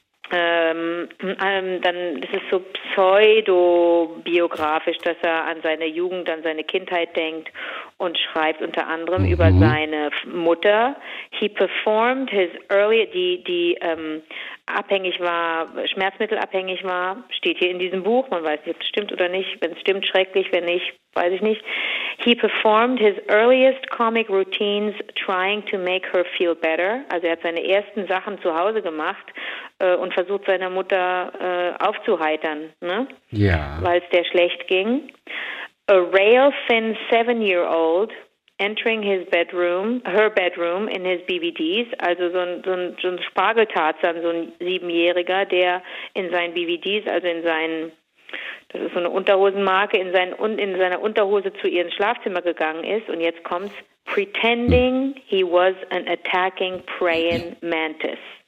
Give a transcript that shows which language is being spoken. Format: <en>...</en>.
<de>Dann ist es so pseudo-biografisch, dass er an seine Jugend, an seine Kindheit denkt und schreibt unter anderem über seine Mutter.</de> <en>He performed his early,</en> <de>die abhängig war, schmerzmittelabhängig war, steht hier in diesem Buch, man weiß nicht, ob es stimmt oder nicht, wenn es stimmt, schrecklich, wenn nicht, weiß ich nicht.</de> <en>He performed his earliest comic routines trying to make her feel better.</en> <de>Also er hat seine ersten Sachen zu Hause gemacht und versucht, seiner Mutter aufzuheitern, ne? Ja. Weil es der schlecht ging.</de> <en>A rail thin 7-year-old entering his bedroom, her bedroom in his BVDs,</en> <de>also so ein Spargeltarzan, so ein 7-Jähriger, der in seinen BVDs, also in seinen, das ist so eine Unterhosenmarke, in seiner Unterhose zu ihrem Schlafzimmer gegangen ist und jetzt kommt's,</de> <en>pretending he was an attacking praying mantis.</en>